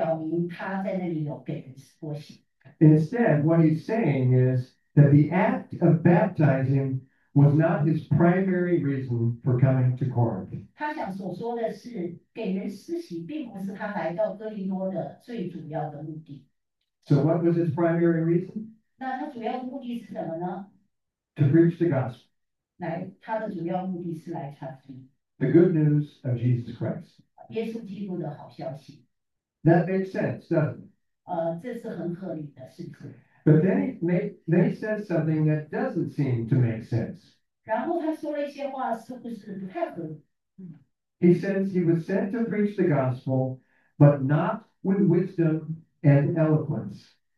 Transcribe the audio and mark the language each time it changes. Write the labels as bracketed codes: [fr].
[zh] 在前面的经文很清楚地表明他在那里有给人施过洗。 [en] Instead, what he's saying is that the act of baptizing was not his primary reason for coming to Corinth. [zh] 他想所说的是给人施洗，并不是他来到哥林多的最主要的目的。 [en] So what was his primary reason? [zh] 那他主要的目的是什么呢? [en] To preach the gospel. [zh] 来，他的主要目的是来传福音。 [en] The good news of Jesus Christ. [zh] 耶稣基督的好消息。 [en] That makes sense, doesn't it? [zh] 这是很合理的，是不是? [en] But then he says something that doesn't seem to make sense. [zh] 然后他说了一些话，是不是不太合理？ [en] He says he was sent to preach the gospel, but not with wisdom and eloquence.